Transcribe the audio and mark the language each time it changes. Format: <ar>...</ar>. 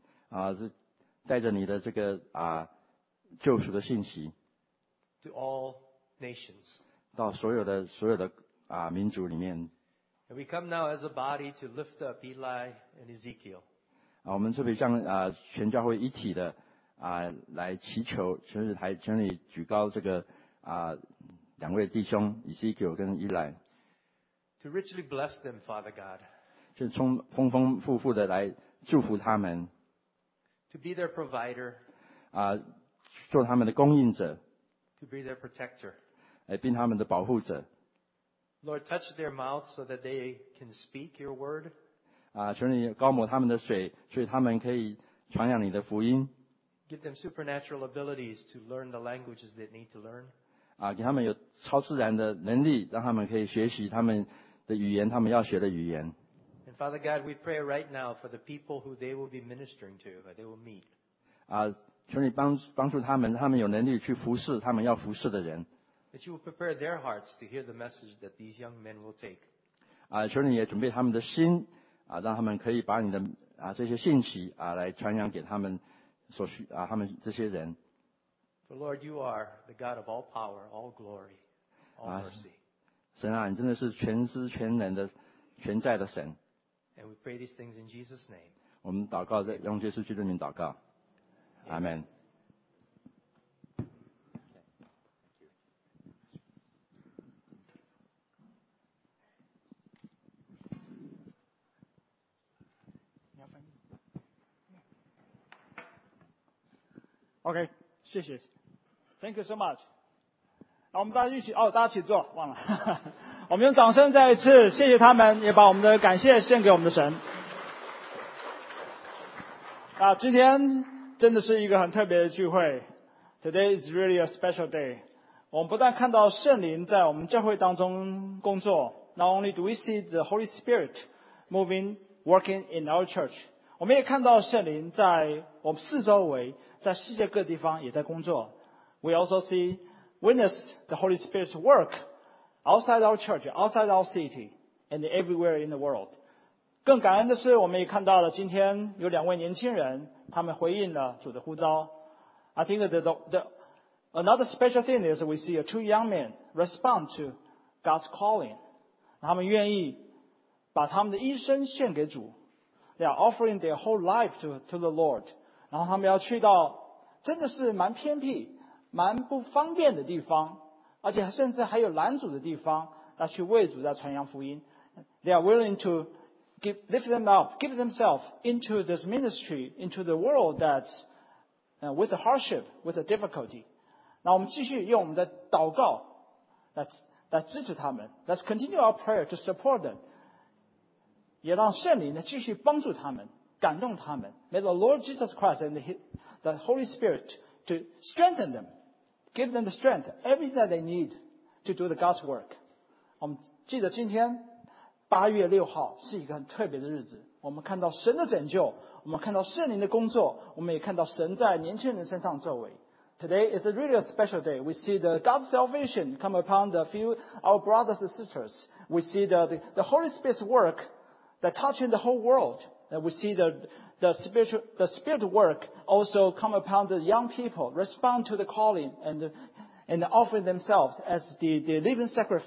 <zh>啊，是带着你的这个啊救赎的信息</zh> <en>to all nations.</en> <zh>到所有的啊民族里面</zh> <en>And we come now as a body to lift up Eli and Ezekiel.</en> <zh>啊，我们特别像啊全教会一体的啊来祈求，全体举高这个。啊，两位弟兄以西结跟伊莱</zh> <en>，to richly bless them, Father God，</en> <zh>就充丰丰富富的来祝福他们</zh> <en>，to be their provider，</en> <zh>啊，做他们的供应者</zh> <en>to be their protector.</en> <zh>来并他们的保护者</zh> <en>Lord, touch their mouths so that they can speak your word.</en> <zh>求你膏抹他们的水所以他们可以传扬你的福音</zh> <en>Give them supernatural abilities to learn the languages they need to learn.</en> <zh>给他们有超自然的能力让他们可以学习他们的语言他们要学的语言</zh> <en>And Father God, we pray right now for the people who they will be ministering to, who they will meet.</en> <zh>求你帮助他们，他们有能力去服侍他们要服侍的人。</zh> <en>That you will prepare their hearts to hear the message that these young men will take.</en> <zh>求你也准备他们的心，让他们可以把你的这些信息来传扬给他们所需他们这些人。</zh> <en>For Lord, you are the God of all power, all glory, all mercy.</en> <zh>神你真的是全知全能的全在的神。</zh> <en>And we pray these things in Jesus' name.</en> <zh>我们祷告在用耶稣基督的名祷告。</zh> <en>Amen. Okay,</en> <zh>谢谢。</zh> <en>Thank you so much.</en> <zh>好，我们大家一起，哦，大家请坐，忘了。我们用掌声再一次谢谢他们，也把我们的感谢献给我们的神。今天真的是一个很特别的聚会。</zh> <en>Today is really a special day.</en> <zh>我们不但看到圣灵在我们教会当中工作 ,</zh> <en>not only do we see the Holy Spirit moving, working in our church,</en> <zh>我们也看到圣灵在我们四周围在世界各地方也在工作。</zh> <en>We also see, witness the Holy Spirit's work outside our church, outside our city, and everywhere in the world.</en> <zh>更感恩的是我们也看到了今天有两位年轻人他们回应了主的呼召。</zh> <en>I think that another special thing is we see two young men respond to God's calling.</en> <zh>他们愿意把他们的一生献给主。</zh> <en>They are offering their whole life to the Lord.</en> <zh>然后他们要去到真的是蛮偏僻、蛮不方便的地方，而且甚至还有拦阻的地方，来去为主在传扬福音。</zh> <en>They are willing to lift them up, give themselves into this ministry, into the world that's with a hardship, with a difficulty.</en> <zh>那我们继续用我们的祷告来支持他们。</zh> <en>Let's continue our prayer to support them.</en> <zh>也让圣灵继续帮助他们，感动他们。</zh> <en>May the Lord Jesus Christ and the Holy Spirit to strengthen them, give them the strength, everything that they need to do the God's work.</en> <zh>我们记得今天8月6号是一个很特别的日子，我们看到神的拯救，我们看到圣灵的工作，我们也看到神在年轻人身上作为。</zh> <en>Today is a really a special day. We see the God's salvation come upon the few our brothers and sisters. We see the Holy Spirit's work that touching the whole world. And we see the Spirit work also come upon the young people, respond to the calling and offering themselves as the living sacrifice.</en>